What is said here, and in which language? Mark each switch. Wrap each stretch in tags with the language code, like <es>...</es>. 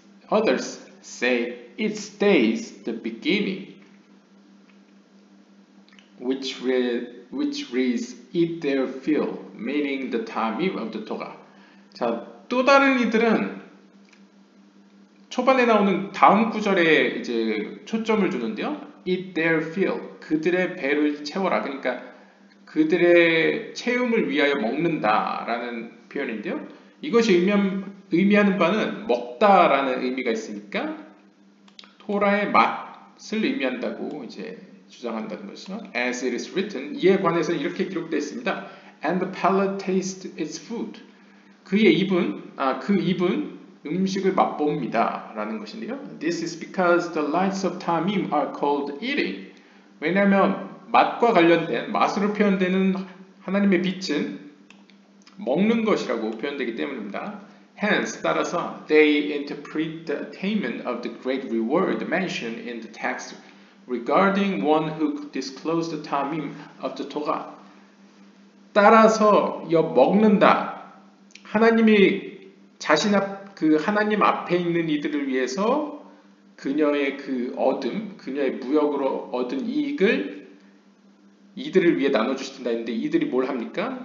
<en>Others say it stays the beginning, which reads eat their fill, meaning the tamim of the Torah.</en> <ko>자, 또 다른 이들은 초반에 나오는 다음 구절에 이제 초점을 두는데요.</ko> <en>Eat their fill,</en> <ko>그들의 배를 채워라. 그러니까 그들의 채움을 위하여 먹는다라는 표현인데요. 이것이 의미하는 바는 먹다라는 의미가 있으니까 토라의 맛을 의미한다고 이제 주장한다는 것이죠.</ko> <en>As it is written,</en> <ko>이에 관해서는 이렇게 기록되어 있습니다.</ko> <en>And the palate tastes its food.</en> <ko>그 입은 음식을 맛봅니다. 라는 것인데요.</ko> <en>This is because the lights of Tamim are called eating.</en> <ko>왜냐하면 맛과 관련된, 맛으로 표현되는 하나님의 빛은 먹는 것이라고 표현되기 때문입니다.</ko> <en>Hence,</en> <ko>따라서</ko> <en>they interpret the attainment of the great reward mentioned in the text regarding one who disclosed the Tamim of the Torah.</en> <ko>따라서 여 먹는다. 하나님이 자신 앞 그 하나님 앞에 있는 이들을 위해서 그녀의 그 얻음, 그녀의 무역으로 얻은 이익을 이들을 위해 나눠주신다 했는데 이들이 뭘 합니까?</ko>